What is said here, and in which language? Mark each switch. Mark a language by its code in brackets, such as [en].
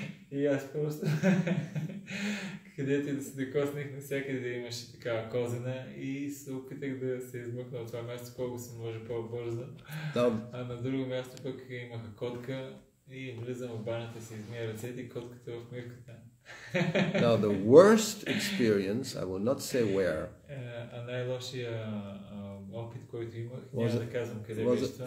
[bg] И аз просто където и да се докоснах, навсякъде имаше такава козена и се опитах да се измъкна от това място колко се може по-бързо. А на друго място пък имаха котка и влизам в банята, се измия ръцете и котката в мивката. [en] Now the worst experience, I will not say where. [bg] А най-лошия опит, който имах, няма да казвам къде беше това.